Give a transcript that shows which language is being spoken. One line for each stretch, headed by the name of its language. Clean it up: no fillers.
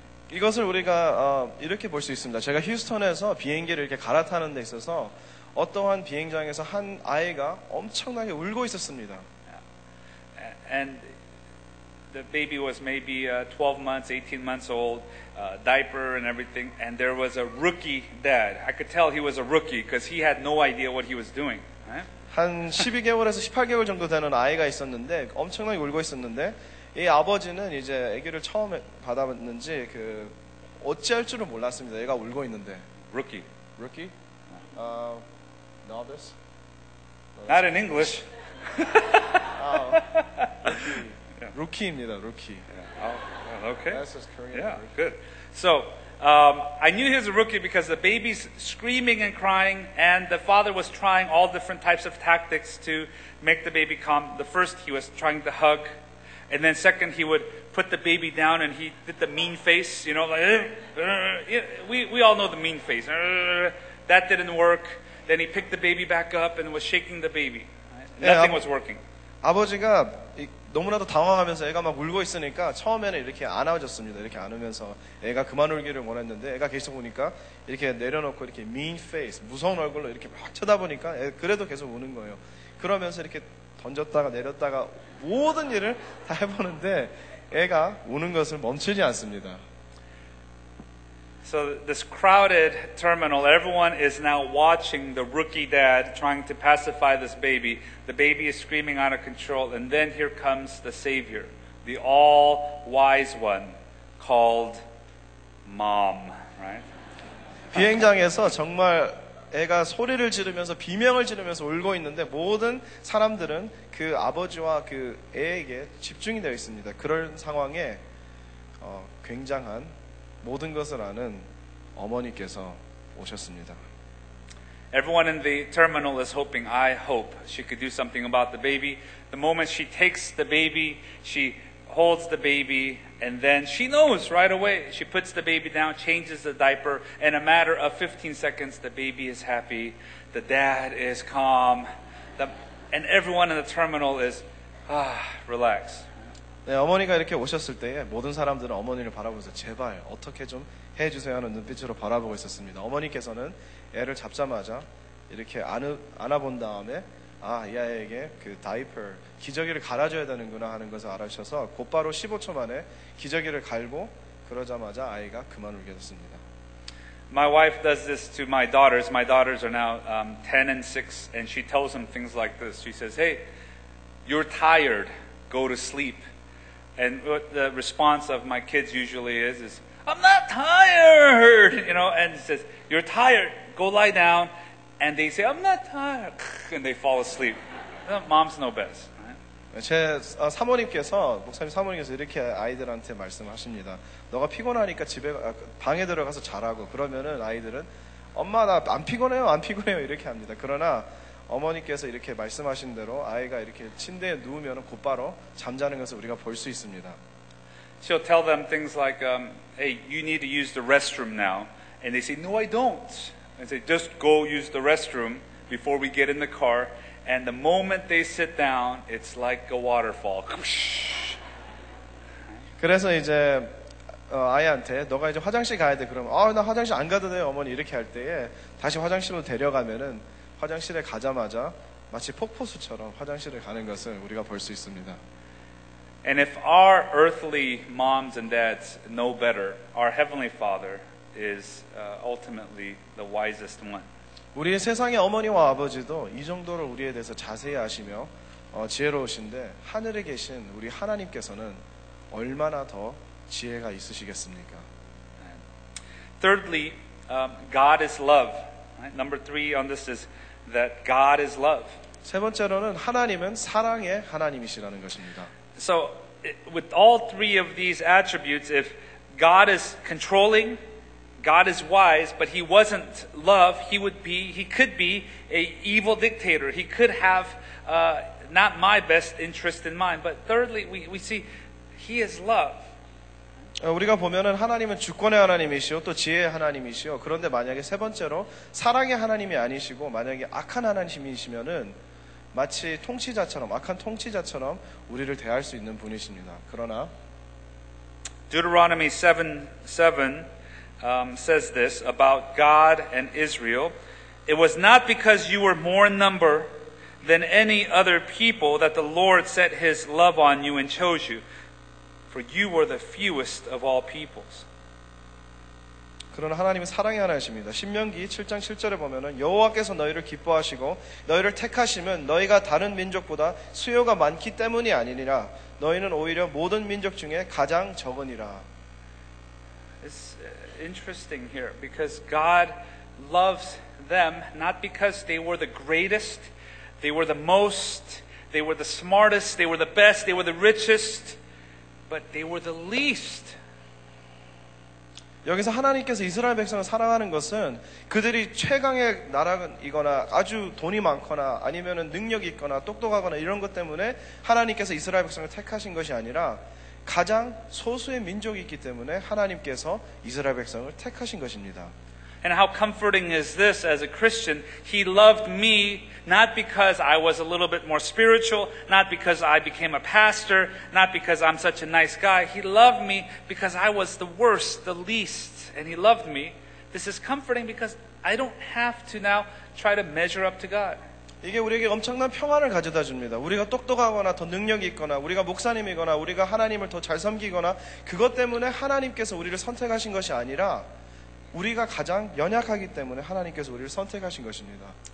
Korean: 이것을 우리가 이렇게 볼 수 있습니다. 제가 휴스턴에서 비행기를 이렇게 갈아타는 데 있어서 어떠한 비행장에서 한 아이가 엄청나게 울고 있었습니다.
English: And the baby was maybe 12 months, 18 months old, diaper and everything, and there was a rookie dad. I could tell he was a rookie because he had no idea what he was doing.
Korean: 한 12개월에서 18개월 정도 되는 아이가 있었는데 엄청나게 울고 있었는데 이 아버지는 이제 아기를 처음 받았는지 그 어찌할 줄을 몰랐습니다. 애가 울고 있는데.
English: Rookie? Novice? Not in English. Rookie. Rookie입니다, rookie. Yeah. Oh, okay. That's just Korean. Yeah, rookie. Good. So, I knew he was a rookie because the baby's screaming and crying, and the father was trying all different types of tactics to make the baby calm. The first, he was trying to hug, and then second, he would put the baby down and he did the mean face, you know, like, we all know the mean face. That didn't work. Then he picked the baby back up and was shaking the baby. Yeah, nothing was working.
Korean: 아버지가 너무나도 당황하면서 애가 막 울고 있으니까 처음에는 이렇게 안아줬습니다. 이렇게 안으면서 애가 그만 울기를 원했는데 애가 계속 우니까 이렇게 내려놓고 이렇게
English: mean face,
Korean: 무서운 얼굴로 이렇게 막 쳐다보니까 애 그래도 계속 우는 거예요. 그러면서 이렇게 던졌다가 내렸다가 모든 일을 다 해보는데 애가 우는 것을 멈추지 않습니다.
English: So this crowded terminal, everyone is now watching the rookie dad trying to pacify this baby. The baby is screaming out of control, and then here comes the savior, the all-wise one, called mom, right?
Korean: 비행장에서 정말 애가 소리를 지르면서 비명을 지르면서 울고 있는데 모든 사람들은 그 아버지와 그 애에게 집중이 되어 있습니다. 그런 상황에 굉장한 모든 것을 아는 어머니께서 오셨습니다.
English: Everyone in the terminal is hoping, I hope she could do something about the baby. The moment she takes the baby, she holds the baby, and then she knows right away. She puts the baby down, changes the diaper, and in a matter of 15 seconds, the baby is happy, the dad is calm, and everyone in the terminal is, relaxed.
Korean: 네, 어머니가 이렇게 오셨을 때에 모든 사람들은 어머니를 바라보면서 제발 어떻게 좀 해주세요 하는 눈빛으로 바라보고 있었습니다. 어머니께서는 애를 잡자마자 이렇게 안아본 다음에 아, 이 아이에게 그 다이퍼, 기저귀를 갈아줘야 되는구나 하는 것을 알아주셔서 곧바로 15초 만에 기저귀를 갈고 그러자마자 아이가 그만 울게 됐습니다.
English: My wife does this to my daughters. My daughters are now 10 and 6 and she tells them things like this. She says, hey, you're tired. Go to sleep. And what the response of my kids usually is, I'm not tired, you know, and it says, you're tired, go lie down. And they say, I'm not tired, and they fall asleep. Moms know best. Right?
Korean: 제 사모님께서, 목사님 사모님께서 이렇게 아이들한테 말씀하십니다. 너가 피곤하니까 집에, 방에 들어가서 자라고. 그러면은 아이들은, 엄마 나 안 피곤해요, 안 피곤해요, 이렇게 합니다. 그러나 어머니께서 이렇게 말씀하신 대로 아이가 이렇게 침대에 누우면 곧바로 잠자는 것을 우리가 볼 수 있습니다.
English: She'll tell them things like, hey, you need to use the restroom now. And they say, no, I don't. I say, just go use the restroom before we get in the car. And the moment they sit down, it's like a waterfall.
Korean: 그래서 이제 아이한테 너가 이제 화장실 가야 돼. 그러면 나 화장실 안 가도 돼요, 어머니. 이렇게 할 때에 다시 화장실로 데려가면은 화장실에 가자마자 마치 폭포수처럼 화장실을 가는 것을 우리가 볼 수 있습니다.
English: And if our earthly moms and dads know better, our heavenly father is ultimately the wisest one.
Korean: 우리의 세상의 어머니와 아버지도 이 정도로 우리에 대해서 자세히 아시며 지혜로우신데 하늘에 계신 우리 하나님께서는 얼마나 더 지혜가 있으시겠습니까?
English: Thirdly, God is love. Right? Number three on this is that God is love.
Korean: 세 번째로는 하나님은 사랑의 하나님이시라는 것입니다.
English: So, with all three of these attributes, if God is controlling, God is wise, but He wasn't love, He could be an evil dictator. He could have not my best interest in mind. But thirdly, we see He is love.
Korean: 우리가 보면은 하나님은 주권의 하나님이시오 또 지혜의 하나님이시오 그런데 만약에 세 번째로 사랑의 하나님이 아니시고 만약에 악한 하나님이시면은 마치 통치자처럼 악한 통치자처럼 우리를 대할 수 있는 분이십니다. 그러나
English: Deuteronomy 7:7 says this about God and Israel. It was not because you were more in number than any other people that the Lord set His love on you and chose you. For you were the fewest of all peoples.
Korean: 그러나 하나님은 사랑의 하나님이십니다. 신명기 7장 7절에 보면은 여호와께서 너희를 기뻐하시고 너희를 택하시면 너희가 다른 민족보다 수요가 많기 때문이 아니니라 너희는 오히려 모든 민족 중에 가장 적으니라.
English: It's interesting here because God loves them not because they were the greatest, they were the most, they were the smartest, they were the best, they were the richest. But they were the least.
Korean: 여기서 하나님께서 이스라엘 백성을 사랑하는 것은 그들이 최강의 나라이거나 아주 돈이 많거나 아니면은 능력이 있거나 똑똑하거나 이런 것 때문에 하나님께서 이스라엘 백성을 택하신 것이 아니라 가장 소수의 민족이 있기 때문에 하나님께서 이스라엘 백성을 택하신 것입니다.
English: And how comforting is this as a Christian? He loved me not because I was a little bit more spiritual, not because I became a pastor, not because I'm such a nice guy. He loved me because I was the worst, the least, and He loved me. This is comforting because I don't have to now try to measure up to God.
Korean: 이게 우리에게 엄청난 평안을 가져다 줍니다. 우리가 똑똑하거나 더 능력이 있거나 우리가 목사님이거나 우리가 하나님을 더 잘 섬기거나 그것 때문에 하나님께서 우리를 선택하신 것이 아니라 우리가 가장 연약하기 때문에 하나님께서 우리를 선택하신 것입니다.